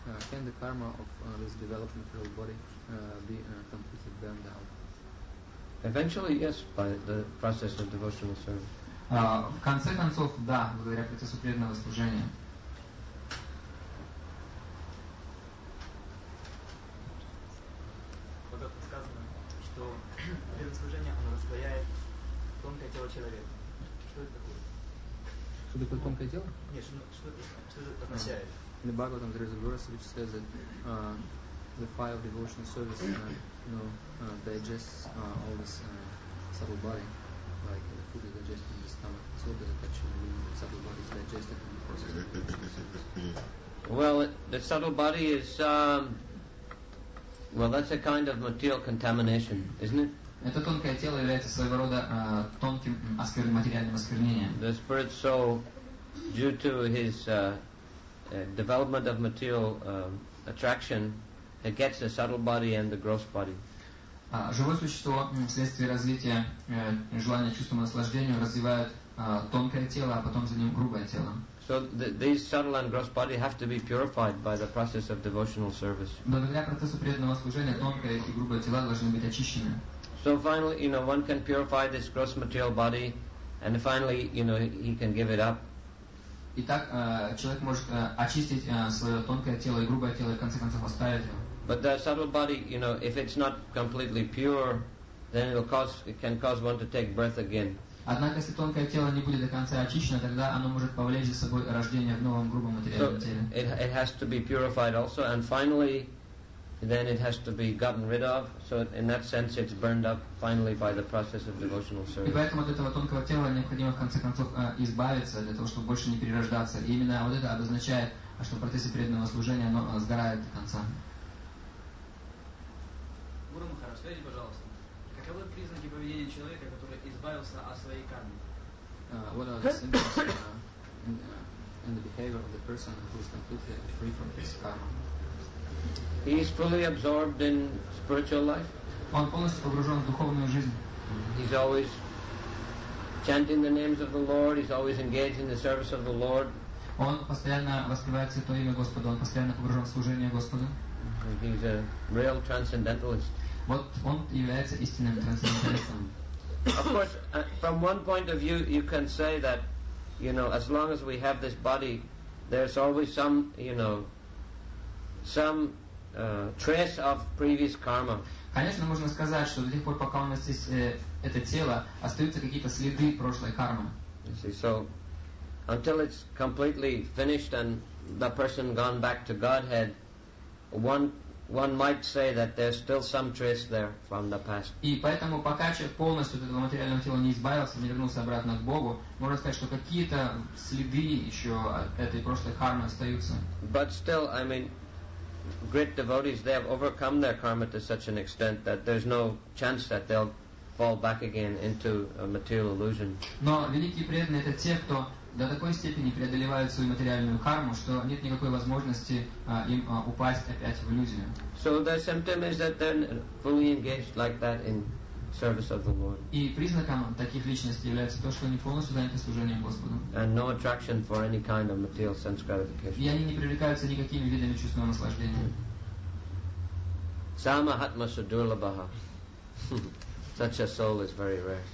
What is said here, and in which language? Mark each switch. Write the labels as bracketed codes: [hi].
[en] Can the karma of this developed material body be completely burned out? Eventually, yes, by the process of devotional service. [ru] В конце концов, да, благодаря процессу преданного служения. Вот это сказано, что преданное служение оно распаяет тонкое тело человека. Что это такое? Что такое тонкое тело? Нет, что это означает? [en] In the Bhagavatam there is a verse which says that the fire of devotional service digests all this subtle body, like the food is digested in the stomach, so does it actually mean the subtle body is digested in the process of devotional service? Well, the subtle body is, that's a kind of material contamination, isn't it? [ru] Это тонкое тело является своего рода тонким материальным осквернением. [en] The spirit soul, due to his development of material attraction, it gets the subtle body and the gross body. [ru] Живое существо вследствие развития желания чувственного наслаждения развивает тонкое тело, а потом за ним грубое тело. [en] So these subtle and gross body have to be purified by the process of devotional service. [ru] Благодаря процессу преданного служения тонкое и грубое тела должны быть очищены. [en] So finally, you know, one can purify this gross material body, and finally, you know, he can give it up. [ru] Итак, человек может очистить свое тонкое тело и грубое тело, и в конце концов оставить его. [en] But the subtle body, you know, if it's not completely pure, then it can cause one to take birth again. [ru] Однако, если тонкое тело не будет до конца очищено, тогда оно может повлечь за собой рождение в новом грубом материальном теле. [en] So it has to be purified also, and finally, then it has to be gotten rid of. So in that sense, it's burned up finally by the process of devotional service. [ru] И поэтому от этого тонкого тела необходимо в конце концов избавиться для того, чтобы больше не перерождаться. И именно вот это обозначает, что в процессе преданного служения оно сгорает до конца. Гуру Махарадж, скажите, пожалуйста, каковы признаки поведения человека, который избавился от своей кармы? [en] What are the symptoms in the behavior of the person who is completely free from his karma? He is fully absorbed in spiritual life. [ru] Он полностью погружен в духовную жизнь. [en] He's always chanting the names of the Lord. He's always engaged in the service of the Lord. [ru] Он постоянно воспевает Святое Имя Господа. Он постоянно погружен в служение Господу. [en] He's a real transcendentalist. [ru] Вот он является истинным трансценденталистом. [en] Of course, from one point of view, you can say that, you know, as long as we have this body, there's always some, you know, some trace of previous karma. [ru] Конечно, можно сказать, что до тех пор, пока у нас есть это тело, остаются какие-то следы прошлой кармы. [en] You see, so until it's completely finished and the person gone back to Godhead, one might say that there's still some trace there from the past. [ru] И поэтому, пока человек полностью от этого материального тела не избавился, не вернулся обратно к Богу, можно сказать, что какие-то следы еще от этой прошлой кармы остаются. [en] But still, I mean, great devotees, they have overcome their karma to such an extent that there's no chance that they'll fall back again into a material illusion. [ru] Но великие преданные — это те, кто до такой степени преодолевают свою материальную карму, что нет никакой возможности им упасть опять в иллюзию. [en] So their symptom is that they're fully engaged like that in service of the Lord. [ru] И признаком таких личностей является то, что они полностью заняты служением Господу. [en] And no attraction for any kind of material sense gratification. [ru] И они не привлекаются никакими видами чувственного наслаждения. [sa] Samahatma sudurlabha. [en] Such a soul is very rare.